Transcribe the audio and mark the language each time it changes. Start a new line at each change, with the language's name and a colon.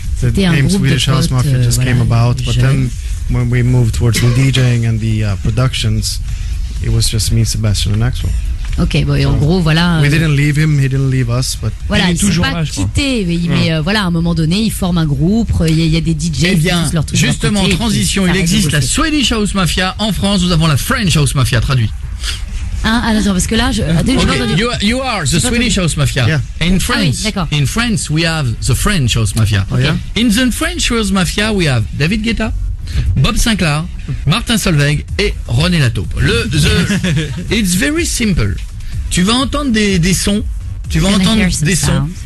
English: The name Swedish House Mafia just came about, but then when we moved towards the DJing and the productions, it was just me, Sebastian and Axwell.
French: Ok, bon, et en gros, voilà.
English: We didn't leave him, he didn't leave us, but
French: voilà, il s'est pas quitté, mais voilà, à un moment donné, ils forment un groupe, il y a des DJs qui font leur truc. Justement, transition, il existe la Swedish House Mafia. En France, nous avons la French House Mafia, traduit. Hein, attends, parce que là,
English: You are the Swedish House Mafia. Yeah. In France, in France, we have the French House Mafia. Okay. Oh, yeah? In the French House Mafia, we have David Guetta, Bob Sinclair, Martin Solveig et René Lataupe. It's very simple.
French: Tu vas entendre des sons. Tu vas entendre des sons.